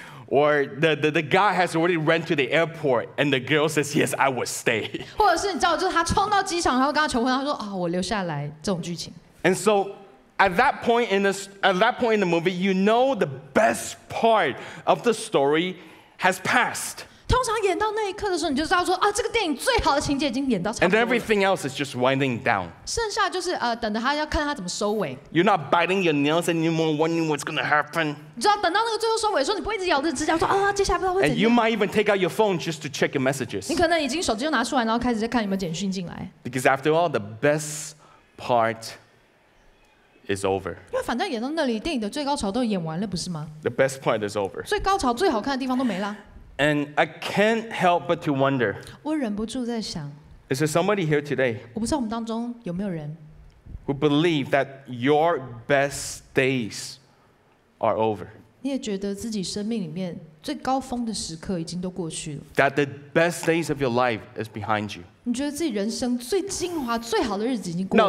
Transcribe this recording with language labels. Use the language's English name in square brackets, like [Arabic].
[English] Or the guy has already ran to the airport, and the girl says, "Yes, I will stay." [Chinese] 或者是你知道，就是他冲到机场，然后跟他求婚，他说：“啊，我留下来。” 这种剧情。 [English] And so, at that point in the movie, you know the best part of the story has passed. [Chinese] 通常演到那一刻的时候，你就知道说啊，这个电影最好的情节已经演到差不多了。 [English] And everything else is just winding down. [Chinese] 剩下就是等着他要看他怎么收尾。 [English] You're not biting your nails anymore, wondering what's going to happen. [Chinese] 你知道等到那个最后收尾的时候，你不会一直咬着指甲说啊，接下来不知道会怎么样。 [English] And you might even take out your phone just to check your messages. [Chinese] 你可能已经手机就拿出来，然后开始在看有没有简讯进来。 [English] Because after all, the best part is over. [Chinese] 因为反正演到那里，电影的最高潮都演完了，不是吗 [English] ？The best part is over. [Chinese] 最高潮、最好看的地方都没了。 [English] And I can't help but to wonder. [Chinese] 我忍不住在想 [English] Is there somebody here today? [Chinese] 我不知道我们当中有没有人 [English] Who believe that your best days are over? [Chinese] 你也觉得自己生命里面最高峰的时刻已经都过去了 [English] That the best days of your life is behind you. [Chinese] 你觉得自己人生最精华、最好的日子已经过了